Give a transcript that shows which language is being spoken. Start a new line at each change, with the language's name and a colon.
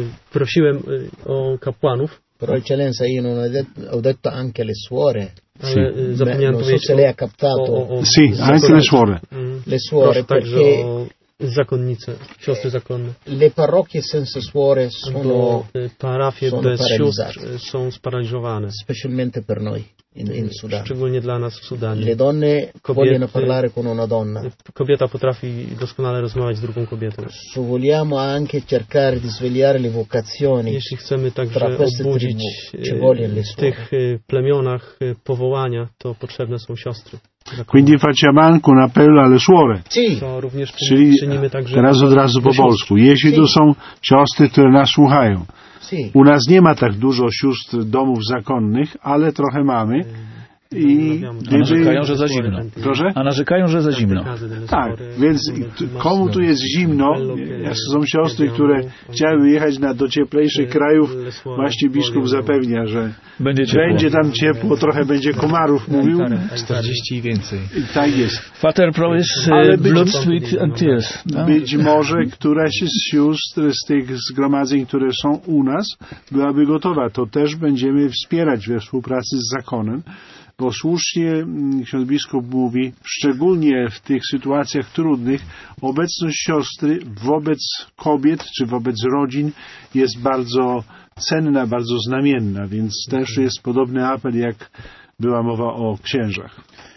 Polish: prosiłem o kapłanów.
Italian: Però eccellenza, io non ho detto anche le suore. Sì. Beh, non so se lei ha captato. Sì, anche le suore. Le suore, perché
Polish: zakonnice, siostry zakonne.
Italian: Le parrocchie senza suore sono
Polish: parafie bez sióstr są sparaliżowane.
Italian: Specialmente per noi in Sudan.
Polish: Szczególnie dla nas w Sudanie.
Italian: Le donne vogliono parlare con una donna.
Polish: Kobieta potrafi doskonale rozmawiać z drugą kobietą.
Italian: Se vogliamo anche cercare di svegliare le vocazioni.
Polish: Jeśli chcemy także obudzić w tych plemionach powołania, to potrzebne są siostry.
Italian: Quindi facciamo anche un appello alle suore. Sì.
Polish: Czyli teraz od razu po polsku. Jeśli tu są siostry, które nas słuchają. U nas nie ma tak dużo sióstr domów zakonnych, ale trochę mamy. i narzekają, że za zimno. Proszę? A narzekają, że za zimno. Tak, więc komu tu jest zimno? Są siostry, które chciały jechać do cieplejszych krajów. Właśnie biskup zapewnia, że będzie tam ciepło, trochę będzie komarów, mówił. 40 i więcej. Tak jest.
English: Father Provis, blood, sweat and tears.
Polish: Być może któraś z sióstr z tych zgromadzeń, które są u nas, byłaby gotowa. To też będziemy wspierać we współpracy z zakonem. Bo słusznie ksiądz biskup mówi, szczególnie w tych sytuacjach trudnych, obecność siostry wobec kobiet czy wobec rodzin jest bardzo cenna, bardzo znamienna, więc też jest podobny apel, jak była mowa o księżach.